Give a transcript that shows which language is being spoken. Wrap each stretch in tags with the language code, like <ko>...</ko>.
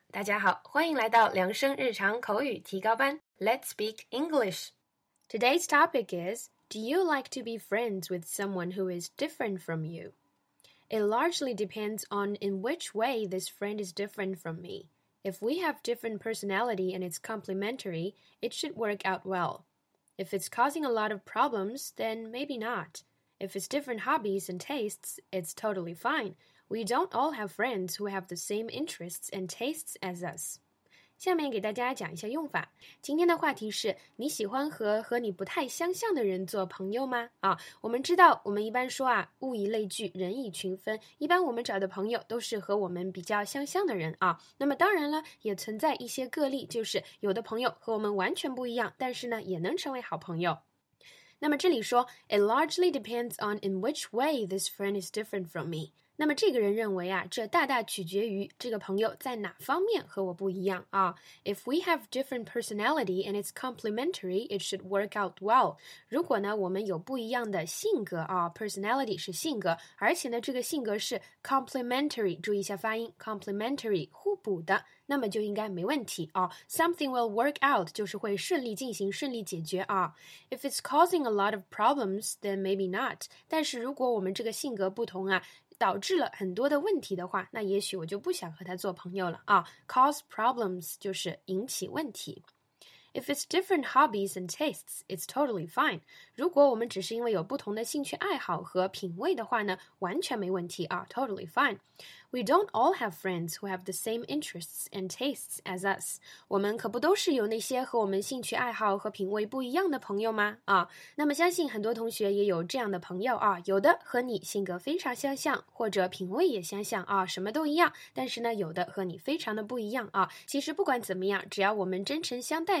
<zh>大家好，欢迎来到量声日常口语提高班。</zh> <en>Let's speak English. Today's topic is, do you like to be friends with someone who is different from you? It largely depends on in which way this friend is different from me. If we have different personality and it's complementary, it should work out well. If it's causing a lot of problems, then maybe not. If it's different hobbies and tastes, it's totally fine. We don't all have friends who have the same interests and tastes as us.</en> <zh>下面给大家讲一下用法。今天的话题是，你喜欢和你不太相像的人做朋友吗？我们知道，我们一般说啊，物以类聚，人以群分。一般我们找的朋友都是和我们比较相像的人啊。那么当然了，也存在一些个例，就是有的朋友和我们完全不一样，但是呢，也能成为好朋友。那么这里说</zh> <en>，It largely depends on in which way this friend is different from me.</en> <zh>那么这个人认为啊，这大大取决于这个朋友在哪方面和我不一样啊。</zh> <en>If we have different personality and it's complementary, it should work out well.</en> <zh>如果呢，我们有不一样的性格啊 ，personality 是性格，而且呢，这个性格是 complementary， 注意一下发音 ，complementary 互补的，那么就应该没问题啊。</zh> <en>Something will work out</en> <zh>就是会顺利进行，顺利解决啊。</zh> <en>If it's causing a lot of problems, then maybe not.</en> <zh>但是如果我们这个性格不同啊。导致了很多的问题的话，那也许我就不想和他做朋友了啊。</zh> <en>Cause problems</en> <zh>就是引起问题。</zh> <en>If it's different hobbies and tastes, it's totally fine.</en> <zh>如果我们只是因为有不同的兴趣爱好和品味的话呢，完全没问题啊 ，</zh> <en>totally fine. We don't all have friends who have the same interests and tastes as us.</en> <zh>我们可不都是有那些和我们兴趣爱好和品味不一样的朋友吗？啊，那么相信很多同学也有这样的朋友啊，有的和你性格非常相像，或者品味也相像啊，什么都一样，但是呢，有的和你非常的不一样啊。其实不管怎么样，只要我们真诚相待。</zh>